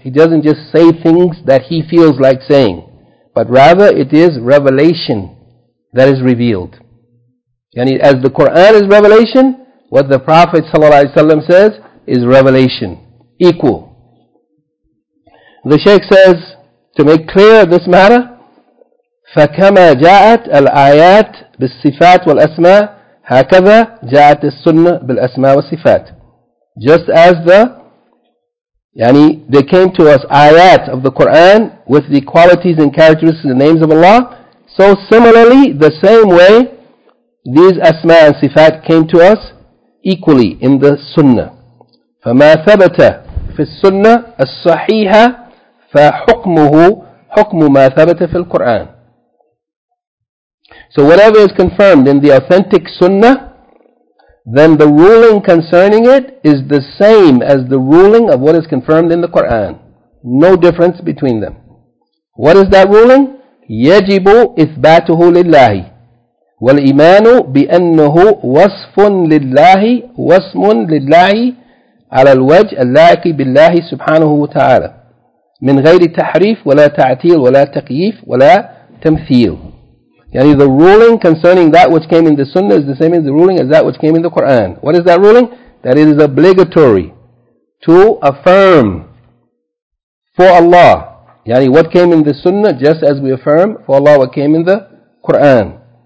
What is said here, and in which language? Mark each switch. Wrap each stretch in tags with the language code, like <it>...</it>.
<en>He doesn't just say things that he feels like saying, but rather it is revelation that is revealed. Yani as the Quran is revelation, what the Prophet ﷺ says is revelation, equal. The Shaykh says, to make clear this matter,</en> <ar>فكما جاءت الآيات بالصفات والأسماء هكذا جاءت السنة بالأسماء والصفات.</ar> <en>Just as the يعني they came to us آيات of the Quran with the qualities and characteristics and names of Allah, so similarly the same way these أسماء and صفات came to us equally in the Sunnah.</en> <ar>فما ثبت في السنة الصحيحة فحكمه حكم ما ثبت في القرآن.</ar> <en>So whatever is confirmed in the authentic Sunnah, then the ruling concerning it is the same as the ruling of what is confirmed in the Quran. No difference between them. What is that ruling?</en> <ar>يجب إثباته لله والإيمان بأنه وصف لله واسم لله على الوجه اللائق بالله سبحانه وتعالى من غير تحريف ولا تعتيل ولا تقييف ولا تمثيل.</ar> <en>يعني the ruling concerning that which came in the Sunnah is the same as the ruling as that which came in the Quran. What is that ruling? That it is obligatory to affirm for Allah. يعني what came in the Sunnah just as we affirm for Allah what came in the Quran.</en>